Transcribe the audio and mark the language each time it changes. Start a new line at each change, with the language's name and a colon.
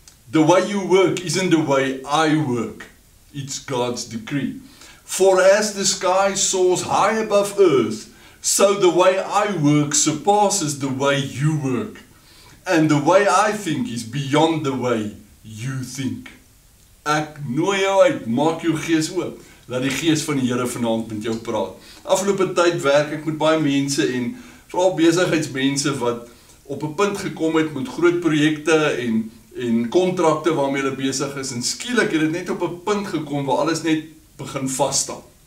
English: The way you work isn't the way I work. It's God's decree. For as the sky soars high above earth, so the way I work surpasses the way you work. And the way I think is beyond the way you think.
Afrikaans: Ek nooi jou uit, maak jou gees oop. Laat die gees van die Here vanavond met jou praat. Afgelope tyd werk ek met baie mense en vooral besigheidsmense wat op een punt gekom het met groot projekte en contracte waarmee hulle besig is. En skielik het net op een punt gekom waar alles net begin vaststaan.